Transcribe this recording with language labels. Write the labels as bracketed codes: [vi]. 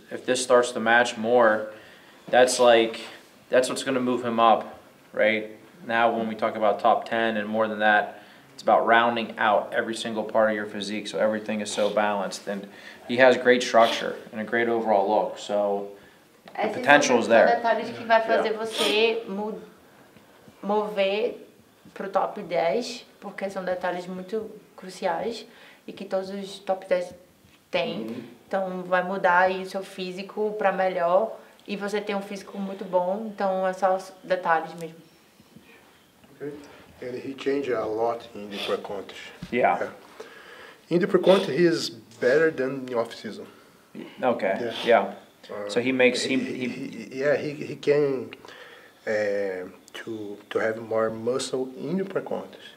[en] If this starts to match more, that's what's going to move him up, right? Now when we talk about top 10 and more than that, it's about rounding out every single part of your physique so everything is so balanced. And he has great structure and a great overall look, so the [pt] esses [en] potential is there. [pt] Detalhes que vai fazer você mover pro top 10, porque são detalhes muito cruciais e que todos os top 10 têm. Então vai mudar aí o seu físico para melhor e você tem um físico muito bom, então é só os detalhes mesmo. [en] Okay. And he changed a lot in the pre-contest. Yeah. In the pre-contest he is better than in off season. Okay. Yeah. Yeah. So he makes he can have more muscle in the pre-contest.